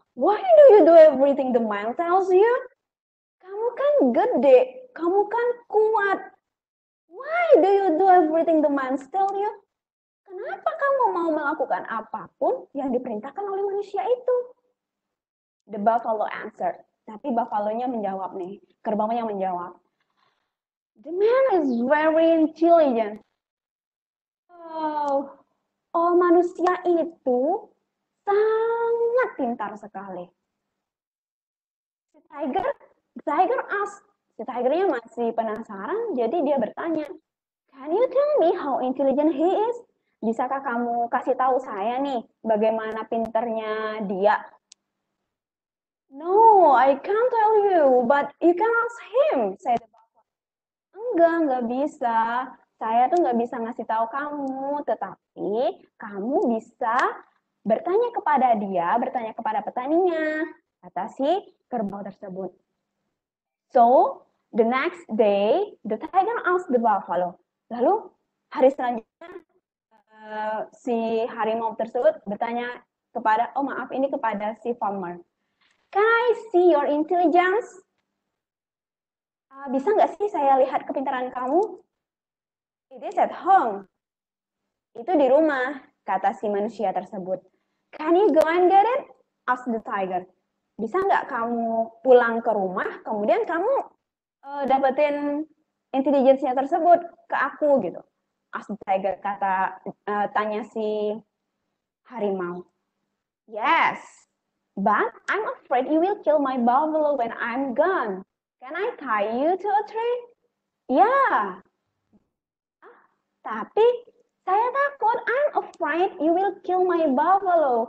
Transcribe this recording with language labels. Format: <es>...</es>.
<en>Why do you do everything the man tells you?</en> <id>Kamu kan gede, kamu kan kuat.</id> <en>Why do you do everything the man tells you?</en> <id>Kenapa kamu mau melakukan apapun yang diperintahkan oleh manusia itu?</id> <en>The buffalo answered.</en> <id>Tapi buffalo-nya menjawab nih, kerbau-nya menjawab.</id> <en>The man is very intelligent.</en> <id>Oh, manusia itu sangat pintar sekali.</id> <en>The tiger asked.</en> <id>The tiger-nya masih penasaran, jadi dia bertanya.</id> <en>Can you tell me how intelligent he is?</en> <id>Bisakah kamu kasih tahu saya nih bagaimana pintarnya dia?</id> <en>No, I can't tell you, but you can ask him, said the buffalo.</en> <id>Enggak bisa. Saya tuh nggak bisa ngasih tahu kamu, tetapi kamu bisa bertanya kepada dia, bertanya kepada petaninya, kata si kerbau tersebut.</id> <en>So, the next day, the tiger asked the buffalo.</en> <id>Lalu, hari selanjutnya, si harimau tersebut bertanya kepada, oh maaf, ini kepada si farmer.</id> <en>Can I see your intelligence?</en> <id>Bisa nggak sih saya lihat kepintaran kamu?</id> <en>It is at home.</en> <id>Itu di rumah, kata si manusia tersebut.</id> <en>Can you go and get it? Asked the tiger.</en> <id>Bisa nggak kamu pulang ke rumah, kemudian kamu dapetin intelligence-nya tersebut ke aku, gitu.</id> <en>Asked the tiger,</en> <id>tanya si harimau.</id> <en>Yes, but I'm afraid you will kill my buffalo when I'm gone. Can I tie you to a tree? Yeah.</en> <id>Tapi saya takut,</id> <en>I'm afraid you will kill my buffalo.</en>